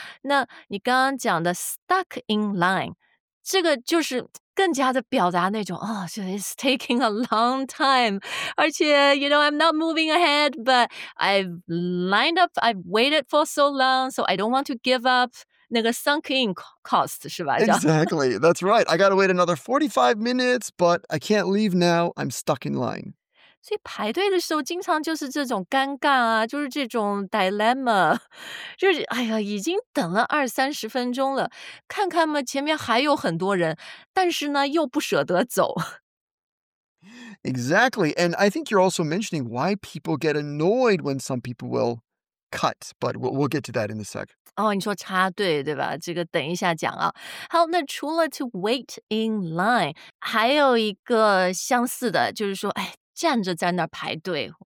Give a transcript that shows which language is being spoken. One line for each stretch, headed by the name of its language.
Chinese: 那你刚刚讲的 stuck in line, 这个就是更加的表达那种
English: it's taking a long time. 而且 you know, I'm not moving ahead, but I've lined up, I've waited for so long, so I don't want to give up.
Chinese: 那个 sunk in cost, 是吧?
English: Exactly, that's right. I gotta wait another 45 minutes, but I can't leave now. I'm stuck in line.
Chinese: 所以排队的时候经常就是这种尴尬啊,就是这种 dilemma, 就是哎呀,已经等了二三十分钟了,看看嘛,前面还有很多人,但是呢,又不舍得走。
English: Exactly, and I think you're also mentioning why people get annoyed when some people will... cut, but we'll get to that in a sec.
Chinese: 你说插队对吧？这个等一下讲啊。好，那除了 to wait in line, 还有一个相似的，就是说，站着在那排队。